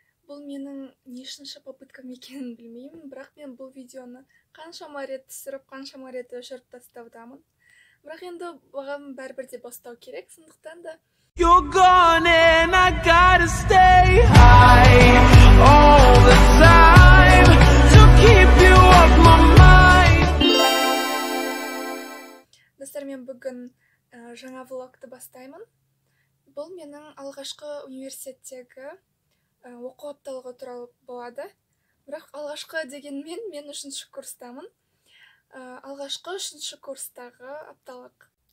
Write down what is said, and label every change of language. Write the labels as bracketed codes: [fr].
[kk] Бұл менің нешінші попыткам екенін білмеймін, бірақ мен бұл видеоны қаншама рет түсіріп, қаншама рет өшіріп тастаудамын. Бірақ енді бағам бәрбір де бастау керек, сондықтан да... [en] You're gone and I gotta stay high all the time to keep you off my mind. [kk] Достар, мен бүгін жаңа влогты бастаймын. Бұл менің алғашқы университеттегі оқу апталығы туралы болады. Бірақ алғашқы дегенмен мен үшінші курстамын. Алғашқы үшінші курстағы апталық.